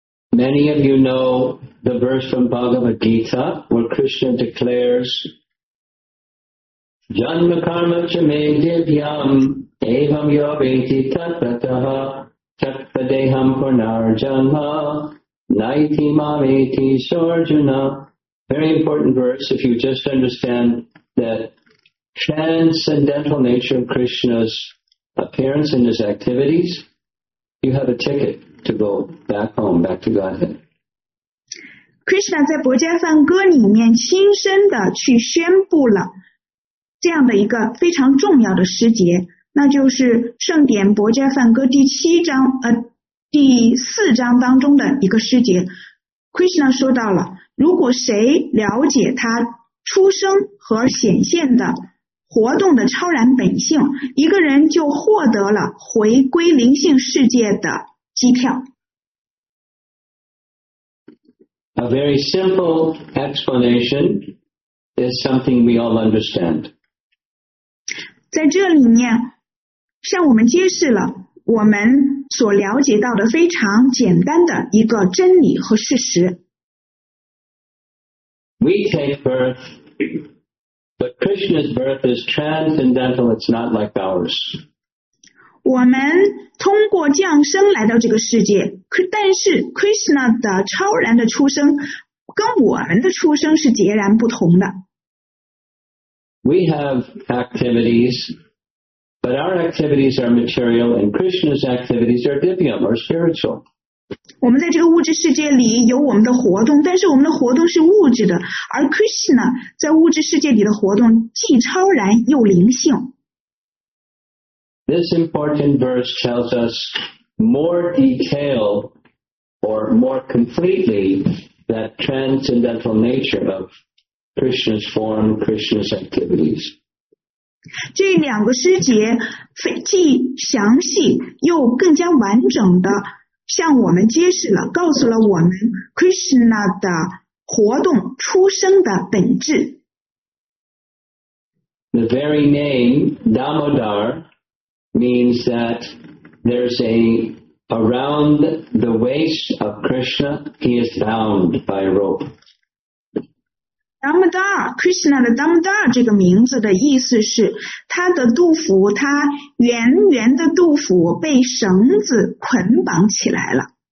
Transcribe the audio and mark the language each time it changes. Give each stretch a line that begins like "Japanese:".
English: Many of you know the verse from Bhagavad Gita where Krishna declares,
Sanskrit: Janma karma chame divyam evam yaveti tatvataha tatvadeham purnar janma naiti maveti sarjuna.
English: Very important verse if you just understand that transcendental nature of Krishna's appearance and his activities. You have a ticket to go back home, back to Godhead.
Chinese: Krishna 在《薄伽梵歌》里面亲身的去宣布了这样的一个非常重要的时节，那就是盛典《薄伽梵歌》第七章第四章当中的一个时节。 Krishna 说到了，如果谁了解他出生和显现的活动的超然本性，一个人就获得了回归灵性世界的机票。
English: A very simple explanation is something we all understand.
Chinese: 在这里面向我们揭示了我们所了解到的非常简单的一个真理和事实。
English: We take birthBut Krishna's birth is transcendental, it's not like ours.
Chinese: 我们通过降生来到这个世界，但是 Krishna 的超然的出生跟我们的出生是截然不同的。
English: We have activities, but our activities are material and Krishna's activities are divyam or spiritual.
Chinese: 我们在这个物质世界里有我们的活动，但是我们的活动是物质的，而 Krishna 在物质世界里的活动既超然又灵性。
English: This important verse tells us more detail or more completely that transcendental nature of Krishna's form, Krishna's activities.
Chinese: 这两个诗节既详细又更加完整的向我们揭示了，告诉了我们 Krishna 的活动出生的本质。
English: The very name Damodar means that there's a around the waist of Krishna he is bound by rope.
Chinese: Damodar, Krishna 的 Damodar 这个名字的意思是他的肚腹，他圆圆的肚腹被绳子捆绑起来了。